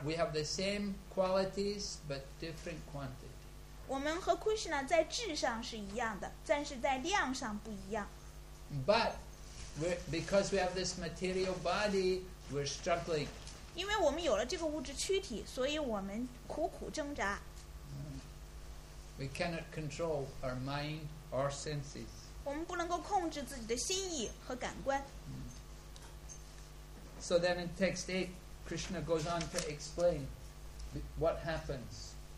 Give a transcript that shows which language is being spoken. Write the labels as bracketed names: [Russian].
[English] We have the same qualities, but different quantity. [Chinese] 我们和 Krishna 在质上是一样的，但是在量上不一样。 [English] But because we have this material body, we're struggling. [Chinese] 因为我们有了这个物质躯体，所以我们苦苦挣扎。 [English] We cannot control our mind or senses. [Chinese] 我们不能够控制自己的心意和感官。 [English] So then in text 8, Krishna goes on to explain what happens.